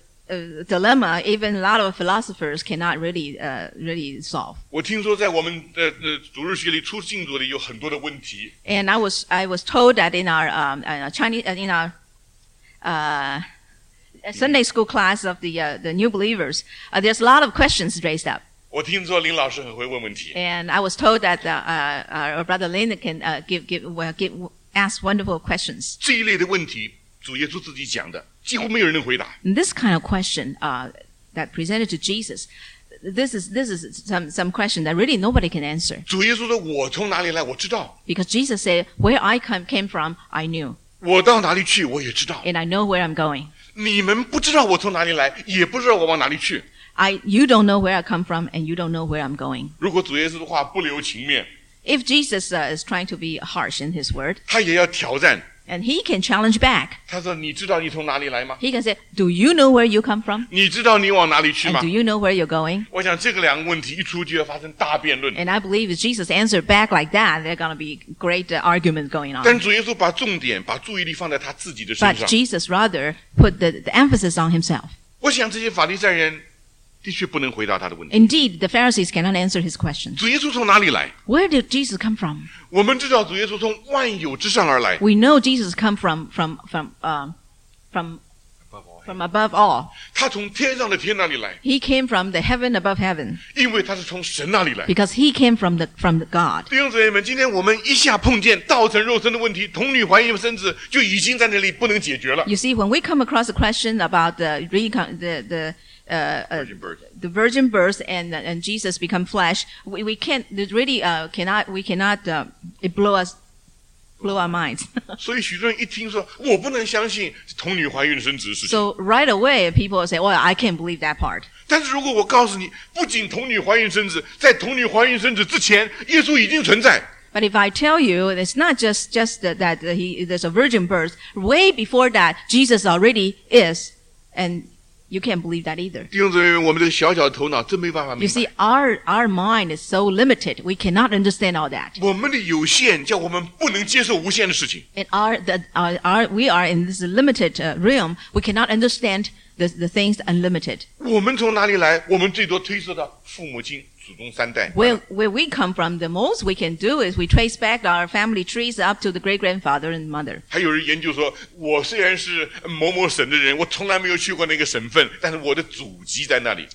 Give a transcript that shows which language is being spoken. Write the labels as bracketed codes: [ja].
[en] It's a dilemma even a lot of philosophers cannot really solve. [zh] 我听说在我们的主日学里出信主的有很多的问题。 [en] And I was told that in our Sunday school class of the new believers, there's a lot of questions raised up. [zh] 我听说林老师很会问问题。 [en] And I was told that our brother Lin can give ask wonderful questions. [zh] 这一类的问题主耶稣自己讲的几乎没有人能回答。 [en] This kind of question that presented to Jesus, this is some question that really nobody can answer. [zh] 主耶稣说：“我从哪里来，我知道。” [en] Because Jesus said, "Where I came from, I knew." [zh] 我到哪里去，我也知道。 [en] And I know where I'm going. [zh] 你们不知道我从哪里来，也不知道我往哪里去。 [en] You don't know where I come from, and you don't know where I'm going. [zh] 如果主耶稣的话不留情面 [en] ，If Jesus is trying to be harsh in his word, [zh] 他也要挑战。 [en] And he can challenge back. [zh] 他说你知道你从哪里来吗？ [en] He can say, do you know where you come from? [zh] 你知道你往哪里去吗？ [en] And do you know where you're going? [zh] 我想这个两个问题一出就要发生大辩论。 [en] And I believe if Jesus answered back like that, there are going to be great arguments going on. [zh] 但主耶稣把重点把注意力放在他自己的身上。 [en] But Jesus rather put the emphasis on himself. [zh] 我想这些法利赛人的确不能回答他的问题。 [en] Indeed, the Pharisees cannot answer his question. [zh] 主耶稣从哪里来？ [en] Where did Jesus come from? [zh] 我们知道主耶稣从万有之上而来。 [en] We know Jesus come from above all. [zh] 他从天上的天那里来。 [en] He came from the heaven above heaven. [zh] 因为他是从神那里来。 [en] Because he came from the God. [zh] 弟兄姊妹们，今天我们一下碰见道成肉身的问题，童女怀孕生子就已经在那里不能解决了。 [en] You see, when we come across a question about the virgin birth and Jesus become flesh, it blow our minds. [zh] 所以许多人一听说我不能相信童女怀孕生子的事情。 [en] So right away people say, well, I can't believe that part. [zh] 但是如果我告诉你不仅童女怀孕生子，在童女怀孕生子之前耶稣已经存在。 [en] But if I tell you, it's not just that there's a virgin birth, way before that, Jesus already is, andYou can't believe that either. [zh] 弟兄姊妹们，我们这个小小的头脑真没办法明白。 [en] You see, our mind is so limited. We cannot understand all that. [zh] 我们的有限叫我们不能接受无限的事情。 [en] And we are in this limited realm. We cannot understand the things unlimited. [zh] 我们从哪里来？我们最多推测到父母亲、祖宗三代。 [en] Where we come from, the most we can do is we trace back our family trees up to the great grandfather and mother. [zh] 还有人研究说，我虽然是某某省的人，我从来没有去过那个省份，但是我的祖籍在那里。